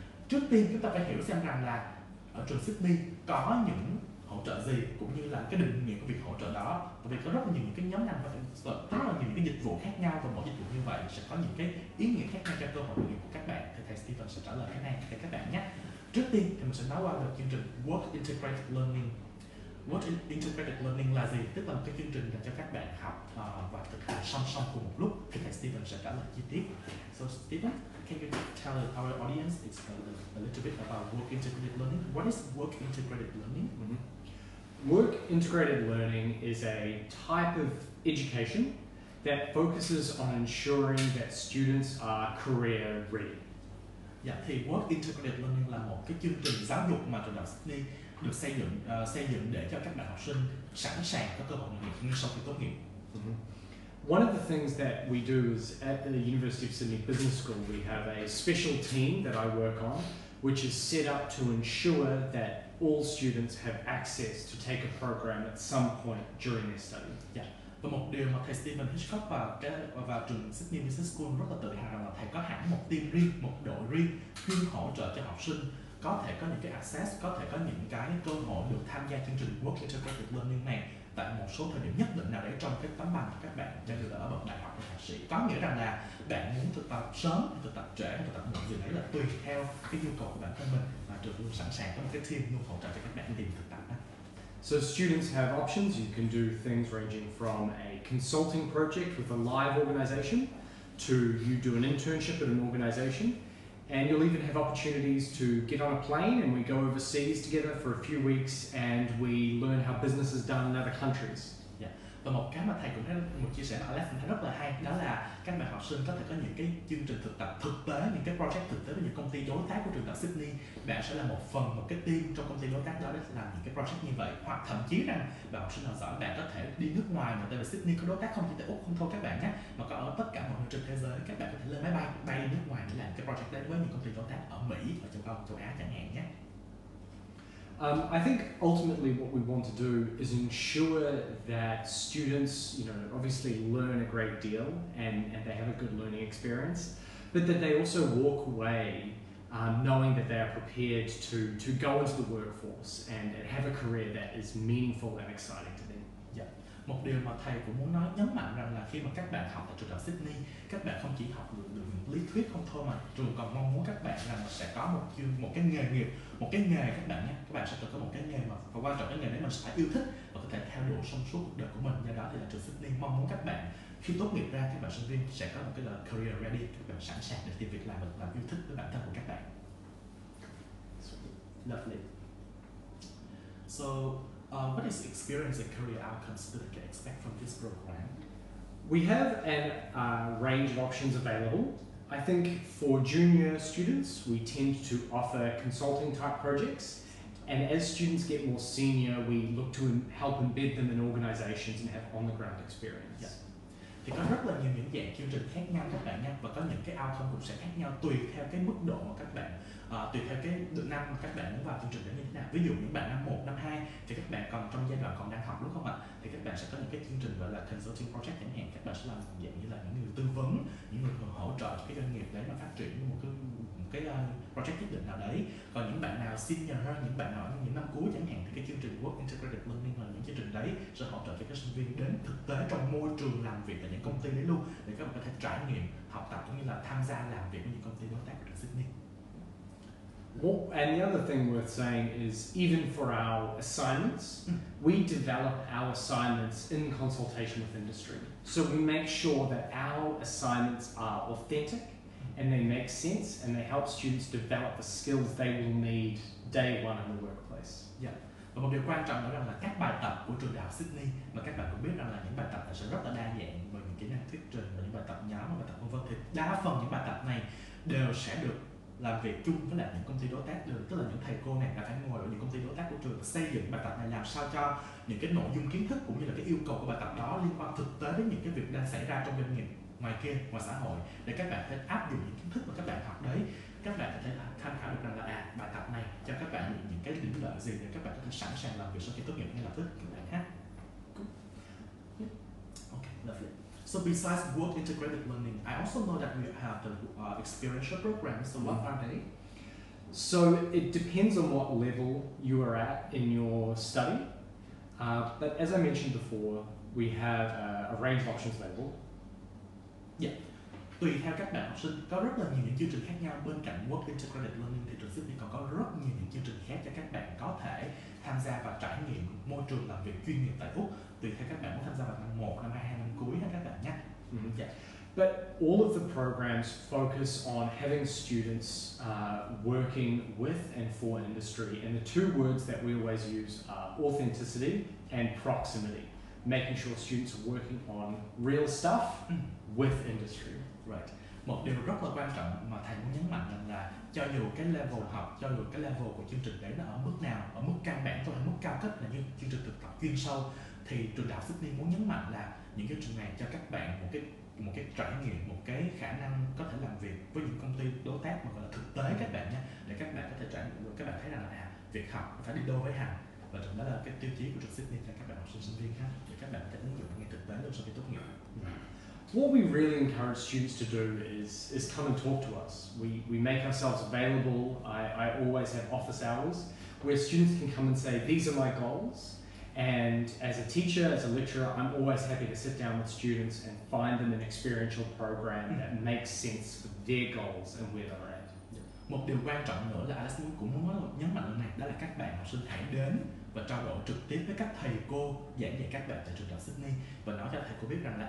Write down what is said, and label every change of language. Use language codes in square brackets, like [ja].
[vi] Trước tiên chúng ta phải hiểu xem rằng là ở trường Sydney có những hỗ trợ gì, cũng như là cái định nghĩa của việc hỗ trợ đó, bởi vì có rất là nhiều những cái nhóm ngành và rất là nhiều cái dịch vụ khác nhau, và mỗi dịch vụ như vậy sẽ có những cái ý nghĩa khác nhau cho cơ hội nghiệp của các bạn. Thì thầy Stephen sẽ trả lời cái này cho các bạn nhé. Trước tiên thì mình sẽ nói qua về chương trình Work Integrated Learning. Work Integrated Learning là gì? Tức là một cái chương trình dành cho các bạn học và thực hành song song cùng một lúc. Thì thầy Stephen sẽ trả lời chi tiết. [en] So Stephen, can you tell our audience a little bit about Work Integrated Learning? What is Work Integrated Learning? Work Integrated Learning is a type of education that focuses on ensuring that students are career ready. [vi] Yeah, thì Work Integrated Learning là một cái chương trình giáo dục mà trường đại học Sydney được xây dựng để cho các bạn học sinh sẵn sàng có cơ hội nghề nghiệp ngay sau khi tốt nghiệp. Mm-hmm. [en] One of the things that we do is at the University of Sydney Business School, we have a special team that I work on, which is set up to ensure that all students have access to take a program at some point during their study. Yeah. [vi] Và một điều mà thầy Stephen Hitchcock và trường Sydney Business School rất là tự hào rằng là thầy có hẳn một team riêng, một đội riêng chuyên hỗ trợ cho học sinh có thể có những cái access, có thể có những cái cơ hội được tham gia chương trình Work Integrated Learning này tại một số thời điểm nhất định nào đấy trong cái tấm bằng của các bạn, cho dù là ở bậc đại học hay thạc sĩ. Có nghĩa rằng là bạn muốn thực tập sớm, thực tập trễ, thực tập muộn gì đấy là tùy theo cái nhu cầu của bản thân mình, và trường luôn sẵn sàng có một cái team luôn hỗ trợ cho các bạn tìm thực tập. [en] So students have options. You can do things ranging from a consulting project with a live organization to you do an internship at an organization, and you'll even have opportunities to get on a plane and we go overseas together for a few weeks and we learn how business is done in other countries. Yeah. [vi] Và một cái mà thầy cũng một chia sẻ ở Alex thấy rất là hay, đó là các bạn học sinh có thể có những cái chương trình thực tập thực tế, những cái project thực tế với những công ty đối tác của trường đại học Sydney. Bạn sẽ là một phần, một cái team trong công ty đối tác đó để làm những cái project như vậy, hoặc thậm chí rằng bạn học sinh nào giỏi, bạn có thể đi nước ngoài, mà tại vì Sydney có đối tác không chỉ tại Úc không thôi các bạn nhé, mà còn ở tất cả mọi nơi trên thế giới. Các bạn có thể lên máy bay bay đi nước ngoài để làm cái project đấy với những công ty đối tác ở Mỹ, ở châu Âu, châu Á chẳng hạn nhé. [en] I think ultimately what we want to do is ensure that students, you know, obviously learn a great deal and they have a good learning experience, but that they also walk away knowing that they are prepared to go into the workforce and have a career that is meaningful and exciting to them. Yeah. [vi] Một điều mà thầy cũng muốn nói nhấn mạnh rằng là khi mà các bạn học ở trường đại học Sydney, các bạn không chỉ học được lý thuyết không thôi, mà trường còn mong muốn các bạn rằng sẽ có một cái nghề nghiệp, một cái nghề các bạn nhé. Các bạn sẽ có một cái nghề mà và quan trọng cái nghề đấy mình sẽ phải yêu thích và có thể theo đuổi trong suốt cuộc đời của mình. Do đó thì là trường Sydney mong muốn các bạn khi tốt nghiệp ra, các bạn sinh viên sẽ có một cái là [en] career ready, [vi] các bạn sẵn sàng để tìm việc làm và làm yêu thích với bản thân của các bạn. [en] Lovely. So what is experience and career outcomes that you can expect from this program? We have a range of options available. I think for junior students, we tend to offer consulting type projects. And as students get more senior, we look to help embed them in organizations and have on-the-ground experience. Yeah. [vi] Thì có rất là nhiều những dạng chương trình khác nhau các bạn nhé, và có những cái outcome cũng sẽ khác nhau tùy theo cái mức độ mà các bạn tùy theo cái năm mà các bạn muốn vào chương trình đấy như thế nào. Ví dụ những bạn năm 1, năm 2 thì các bạn còn trong giai đoạn còn đang học đúng không ạ, thì các bạn sẽ có những cái chương trình gọi là consulting project chẳng hạn. Các bạn sẽ làm dạng như là những người tư vấn, những người hỗ trợ cho cái doanh nghiệp đấy mà phát triển một cái project nhất định nào đấy. Còn những bạn nào nào senior hơn, những bạn nào ở những năm cuối chẳng hạn, thì cái chương trình Work Integrated Learning là những chương trình đấy sẽ hỗ trợ cho các sinh viên đến thực tế trong môi trường làm việc tại những công ty đấy luôn, để các bạn có thể trải nghiệm, học tập cũng như là tham gia làm việc với những công ty đối tác ở Sydney. [en] Well, and the other thing worth saying is even for our assignments, we develop our assignments in consultation with industry. So we make sure that our assignments are authentic and they make sense and they help students develop the skills they will need day one in the workplace. Yeah. [vi] Và một điều quan trọng đó là các bài tập của trường Đại học Sydney, mà các bạn cũng biết rằng là những bài tập sẽ rất là đa dạng, và những kỹ năng thuyết trình, và những bài tập nhóm, bài tập vân vân, thì đa phần những bài tập này đều sẽ được làm việc chung với lại những công ty đối tác, tức là những thầy cô này đã phải ngồi ở những công ty đối tác của trường xây dựng bài tập này, làm sao cho những cái nội dung kiến thức cũng như là cái yêu cầu của bài tập đó liên quan thực tế đến những cái việc đang xảy ra trong doanh nghiệp ngoài kia, ngoài xã hội, để các bạn có thể áp dụng những kiến thức mà các bạn học đấy, các bạn có thể tham khảo được rằng là à, bài tập này cho các bạn những cái điểm lợi gì để các bạn có thể sẵn sàng làm việc sau khi tốt nghiệp ngay lập tức các bạn khác. [en] Okay, lovely. So besides work integrated learning, I also know that you have the experiential programs. So what are they? So it depends on what level you are at in your study. But as I mentioned before, we have a range of options available. Yeah. [vi] Tùy theo các bạn học sinh, có rất là nhiều những chương trình khác nhau. Bên cạnh work integrated learning, thì trường Sydney còn có rất nhiều những chương trình khác cho các bạn có thể tham gia và trải nghiệm môi trường làm việc chuyên nghiệp tại Úc. Tùy theo các bạn muốn tham gia vào năm 1, năm 2, năm cuối hay các bạn nhé. Mm-hmm. Yeah. [en] But all of the programs focus on having students working with and for industry. And the two words that we always use are authenticity and proximity, making sure students are working on real stuff with industry. Right. [vi] Một điều rất là quan trọng mà thầy muốn nhấn mạnh là cho dù cái level học, cho dù cái level của chương trình đấy là ở mức nào, ở mức căn bản hay mức cao cấp là như chương trình thực tập chuyên sâu, thì trường Đại học Sydney muốn nhấn mạnh là những cái trường này cho các bạn một cái trải nghiệm, một cái khả năng có thể làm việc với những công ty đối tác mà gọi là thực tế các bạn nhé, để các bạn có thể trải nghiệm được, các bạn thấy rằng là việc học phải đi đôi với hành, và đó là cái tiêu chí của trường Sydney cho các bạn học sinh sinh viên khác, để các bạn có thể ứng dụng ngay thực tế luôn sau khi tốt nghiệp. [en] What we really encourage students to do is come and talk to us. We make ourselves available. I always have office hours where students can come and say, these are my goals. And as a teacher, as a lecturer, I'm always happy to sit down with students and find them an experiential program that makes sense for their goals and where they're at. [vi] Một điều quan trọng nữa là Alice cũng muốn nhấn mạnh lần này, đó là các bạn học sinh hãy đến và trao đổi trực tiếp với các thầy cô giảng dạy các bạn tại trường Đại học Sydney, và nói cho thầy cô biết rằng là